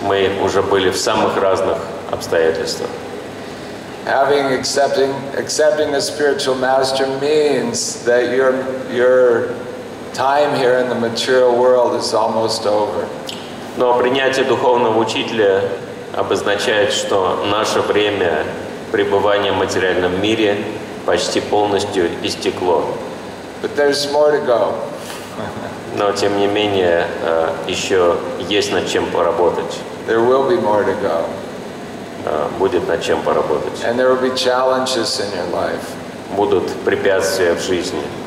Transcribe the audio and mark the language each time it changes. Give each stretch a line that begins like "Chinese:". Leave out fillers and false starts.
Russian: Мы уже были в самых разных обстоятельствах.
English: Having accepting a spiritual master means that your time here in the material world is almost over.
Russian: Но принятие духовного учителя обозначает, что наше время пребывания в материальном мире почти полностью истекло.
English: But there's more to go.
Russian: Но, тем не менее, еще есть над чем поработать.
English: There will be more to go.
Russian: Будет над чем поработать.
English: And there will be challenges in your life.
Russian: Будут препятствия в жизни.